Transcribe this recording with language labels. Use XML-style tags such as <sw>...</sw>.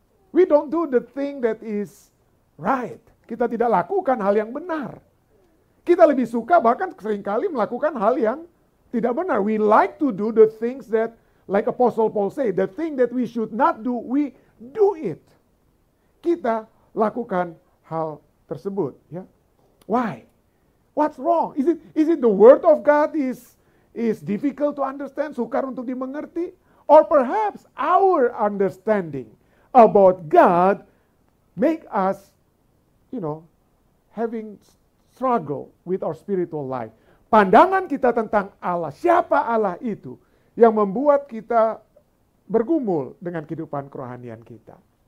<en>We don't do the thing that is right.</en> <id>Kita tidak lakukan hal yang benar. Kita lebih suka bahkan seringkali melakukan hal yang tidak benar.</id> <en>We like to do the things that, like Apostle Paul say, the thing that we should not do, we do it.</en> <id>Kita lakukan hal tersebut.</id> <en>Ya. Why? What's wrong? Is it the word of God is difficult to understand,</en> <id>sukar untuk dimengerti?</id> <en>Or perhaps our understanding about God make us, you know, having struggle with our spiritual life.</en> <id>Pandangan kita tentang Allah, siapa Allah itu yang membuat kita bergumul dengan kehidupan kerohanian kita.</id>